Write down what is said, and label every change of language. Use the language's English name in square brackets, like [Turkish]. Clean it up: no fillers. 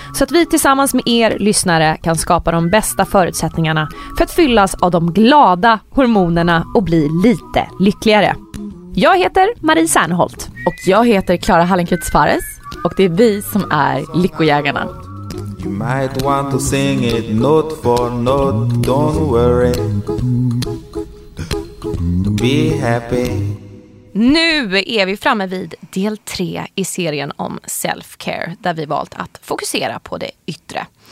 [Swedish] Så att vi tillsammans med er lyssnare kan skapa de bästa förutsättningarna för att fyllas av de glada hormonerna och bli lite lyckligare. Jag heter Marie Serneholt. Och jag heter Clara Hallenkrutz Fares. Och det är vi som är Lyckojägarna. [English] You might want to sing it note for note, don't worry. Be happy. [Swedish] Nu är vi framme vid del 3 i serien om self-care, där vi valt att fokusera på det yttre.